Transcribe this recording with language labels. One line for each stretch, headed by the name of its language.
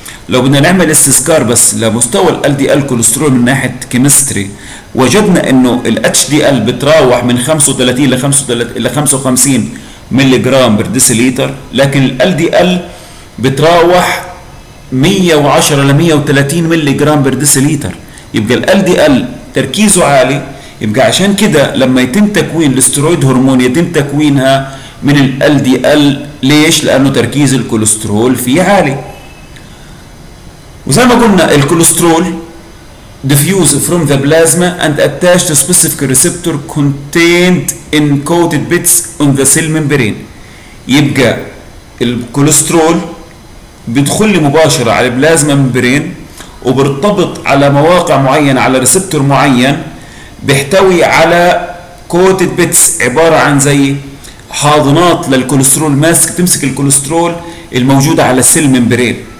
Arabic: لو بدنا نعمل استذكار بس لمستوى ال LDL كوليسترول من ناحية كيمستري، وجدنا انه ال HDL بتراوح من 35 ل 55 ملي جرام بر ديسيليتر، لكن ال LDL بتراوح 110 ل 130 ملي جرام بر ديسيليتر. يبقى ال LDL تركيزه عالي، يبقى عشان كده لما يتم تكوين الاسترويد هرمون يتم تكوينها من ال LDL. ليش؟ لانه تركيز الكوليسترول فيه عالي. وزي ما قلنا الكوليسترول
English: diffuse from the plasma and attach to specific receptor contained in coated bits on the cell membrane.
Arabic: يبقى الكوليسترول بيدخل لي مباشرة على البلازما ممبرين وبرتبط على مواقع معينة على ريسبتور معين بيحتوي على coated bits، عبارة عن زي حاضنات للكوليسترول ماسك تمسك الكوليسترول الموجودة على السيل ممبرين.